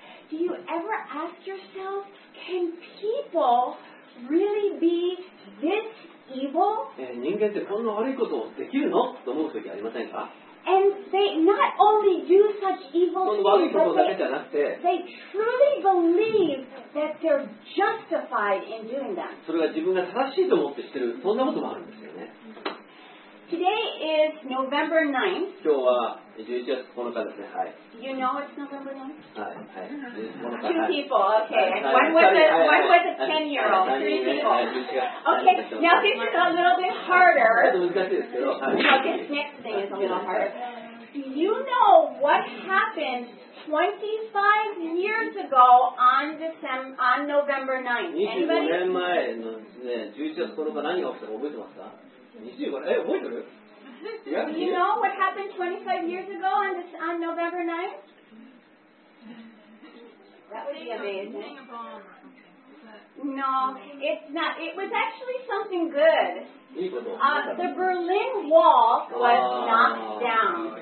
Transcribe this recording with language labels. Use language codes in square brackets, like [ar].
[en] Do you ever ask yourself, can people really be this evil? [ja] 人間ってこんな悪いことをできるの?と思うときありませんか? [en] And they not only do such evil things, but they truly believe that they're justified in doing them. [ja] それは自分が正しいと思ってしてる、そんなこともあるんですよね。 [en] Today is November 9th. [ja] 今日は11月9日ですね。はい。 [en] You know it's November 9th? [ja] はい。 [en] Two people, okay. One was a 10-year-old, three people. Okay, now this is a little bit harder. [ja] ちょっと難しいですけど。 [en] Now this next thing is a little harder. Do you know what happened 25 years ago on November 9th? [ja] 25年前の、ね、11月9日何が起きたか覚えてますか? [en] Do you know what happened 25 years ago on November 9th? That would be amazing. No, it's not. It was actually something good. The Berlin Wall was knocked down.